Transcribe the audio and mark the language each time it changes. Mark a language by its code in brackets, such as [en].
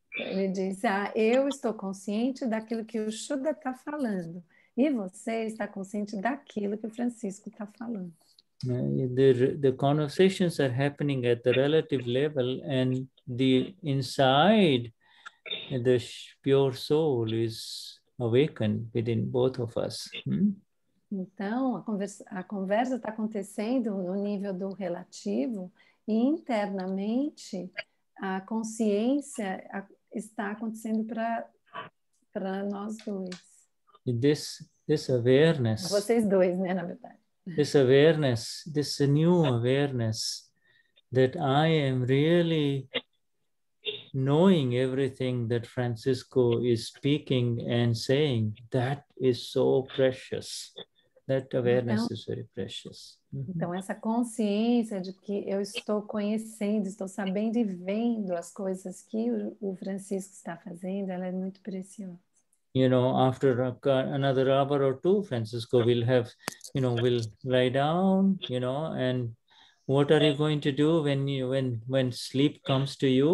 [pt] Ele diz, eu estou consciente daquilo que o Shuddha está falando e você está consciente daquilo que o Francisco está falando. [en] The conversations are happening at the relative level and the inside, the pure soul is awakened within both of us. [pt] Então, a conversa está acontecendo no nível do relativo e internamente a consciência... está acontecendo para nós dois. [en] This awareness. [pt] Vocês dois, né, na verdade. [en] This awareness, this new awareness that I am really knowing everything that Francisco is speaking and saying, that is so precious. That awareness is very precious. [pt] Então, essa consciência de que eu estou conhecendo, estou sabendo e vendo as coisas que o Francisco está fazendo, ela é muito preciosa. [en] You know, after another hour or two, Francisco will have, you know, will lie down, you know, and what are you going to do when sleep comes to you?